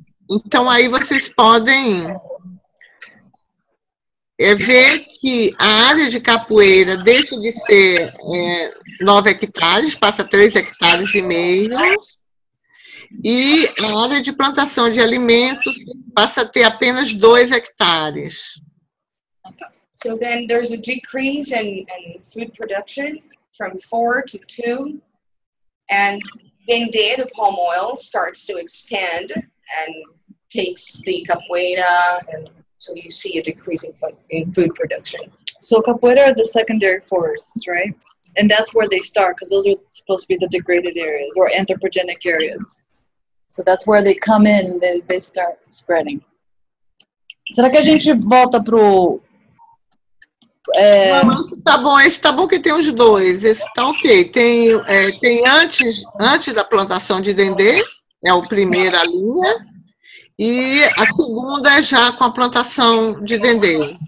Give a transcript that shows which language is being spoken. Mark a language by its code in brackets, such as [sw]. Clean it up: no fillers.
[pt] Então, aí vocês podem ver que a área de capoeira deixa de ser 9 hectares, passa 3 hectares e meio, e a área de plantação de alimentos passa a ter apenas 2 hectares. [en] So then there's a decrease in food production from 4 to 2, and then the palm oil starts to expand and takes the capoeira, and so you see a decrease in food production. So capoeira are the secondary forests, right? And that's where they start, because those are supposed to be the degraded areas or anthropogenic areas. So that's where they come in, then they start spreading. [pt] Será que a gente volta pro... Não, esse tá bom que tem os dois. Esse tá ok. Tem antes da plantação de dendê, é a primeira linha, e a segunda é já com a plantação de dendê.